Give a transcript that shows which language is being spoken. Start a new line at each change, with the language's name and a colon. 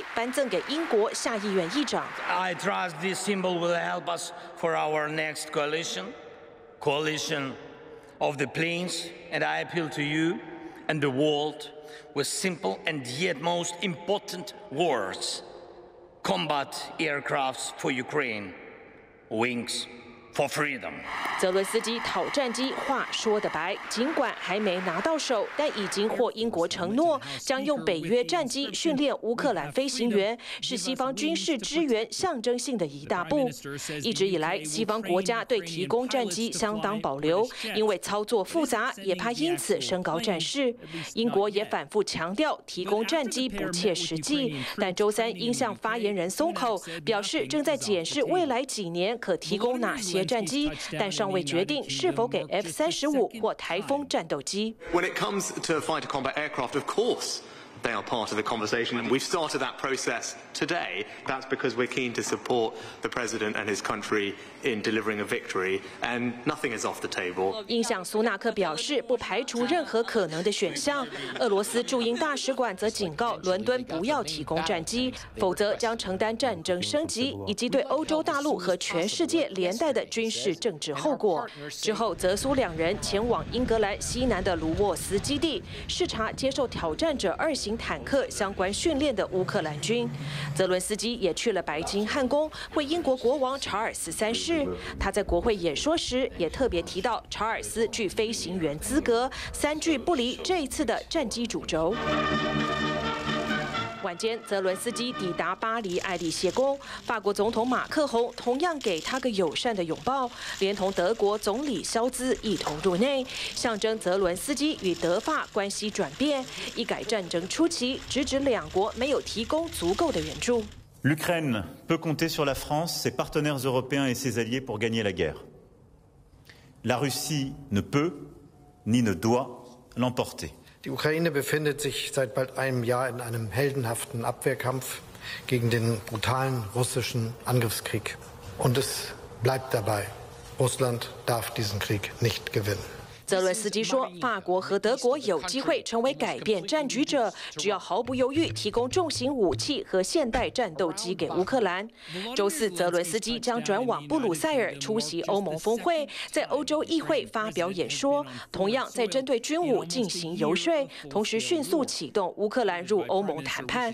Chinese: 泽伦斯基感谢英国人从第一天就力挺乌克兰。英国至今已提供超过20亿英镑，相当台币730亿的武器和装备。这天，泽伦斯基力促盟友进一步提供战斗机，说战机将是自由之翼，甚至戏剧性的把乌克兰王牌飞官的自由头盔颁赠给英国下议院议长。
English: I trust this symbol will help us for our next coalition of the planes. And I appeal to you and the world with simple and yet most important words. Combat aircrafts for Ukraine. Wings for freedom.
Chinese: 泽伦斯基讨战机话说得白，尽管还没拿到手，但已经获英国承诺将用北约战机训练乌克兰飞行员，是西方军事支援象征性的一大步。一直以来，西方国家对提供战机相当保留，因为操作复杂，也怕因此升高战事。英国也反复强调提供战机不切实际，但周三应向发言人松口，表示正在检视未来几年可提供哪些战机。但尚未决定是否给F-35或台风战斗机。
English: When it comes to fighter combat aircraft, of course, they are part of the conversation. And we've started that process today. That's because we're keen to support the president and his country in delivering a victory. And nothing is off the table.
Chinese: 英相苏纳克表示，不排除任何可能的选项。俄罗斯驻英大使馆则警告伦敦不要提供战机，否则将承担战争升级以及对欧洲大陆和全世界连带的军事政治后果。之后，泽苏两人前往英格兰西南的卢沃斯基地视察接受挑战者二型坦克相关训练的乌克兰军。泽伦斯基也去了白金汉宫，为英国国王查尔斯三世。他在国会演说时也特别提到，查尔斯具飞行员资格，三句不离这一次的战机主轴。晚间，泽伦斯基抵达巴黎埃利歇宫，法国总统马克宏同样给他个友善的拥抱，连同德国总理肖兹一同入内，象征泽伦斯基与德法关系转变，一改战争初期直指两国没有提供足够的援助。
French: L'Ukraine peut compter sur la France, ses partenaires européens et ses alliés pour gagner la guerre. La Russie ne peut ni ne doit l'emporter.
German: Die Ukraine befindet sich seit bald einem Jahr in einem heldenhaften Abwehrkampf gegen den brutalen russischen Angriffskrieg. Und es bleibt dabei. Russland darf diesen Krieg nicht gewinnen.
Chinese: 泽伦斯基说，法国和德国有机会成为改变战局者，只要毫不犹豫提供重型武器和现代战斗机给乌克兰。周四，泽伦斯基将转往布鲁塞尔出席欧盟峰会，在欧洲议会发表演说，同样在针对军武进行游说，同时迅速启动乌克兰入欧盟谈判。